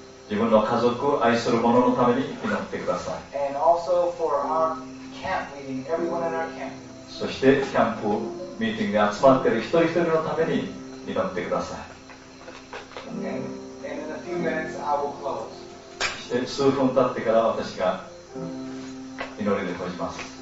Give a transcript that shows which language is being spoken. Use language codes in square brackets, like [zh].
[ja] 自分の家族、愛する者のために祈ってください。 [en] And also for our camp meeting, everyone in our camp. [ja] そしてキャンプミーティングに集まっている一人一人のために祈ってください。そして数分経ってから私が祈りで閉じます。